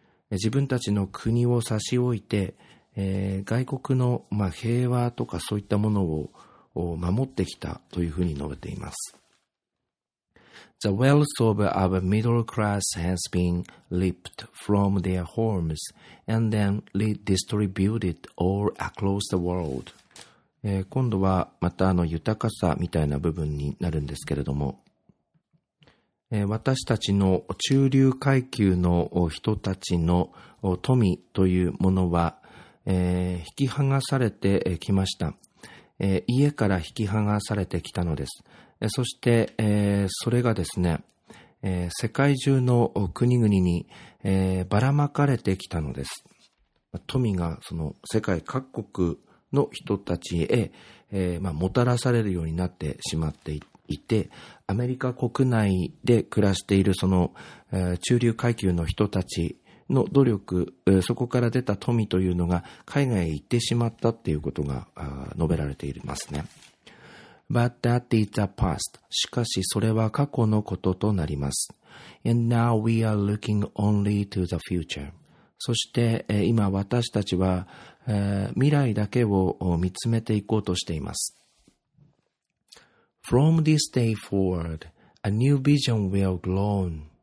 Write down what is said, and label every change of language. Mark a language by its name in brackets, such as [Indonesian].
[Japanese] 自分たちの国を差し置いて、外国の、まあ、平和とかそういったものを守ってきたというふうに述べています。 [English] The wealth of our middle class has been ripped from their homes and then redistributed all across the world. [Japanese] 今度はまたあの豊かさみたいな部分になるんですけれども、私たちの中流階級の人たちの富というものは、引き剥がされてきました。家から引き剥がされてきたのです。そして、それがですね、世界中の国々に、ばらまかれてきたのです。富がその世界各国の人たちへ、もたらされるようになってしまっていて、アメリカ国内で暮らしているその、中流階級の人たちの努力、そこから出た富というのが海外へ行ってしまったっていうことが述べられていますね。 [English] But that is the past. [Japanese] しかしそれは過去のこととなります。 [English] And now we are looking only to the future. [Japanese] そして今私たちは未来だけを見つめていこうとしています。 [English] From this day forward, a new vision will glow.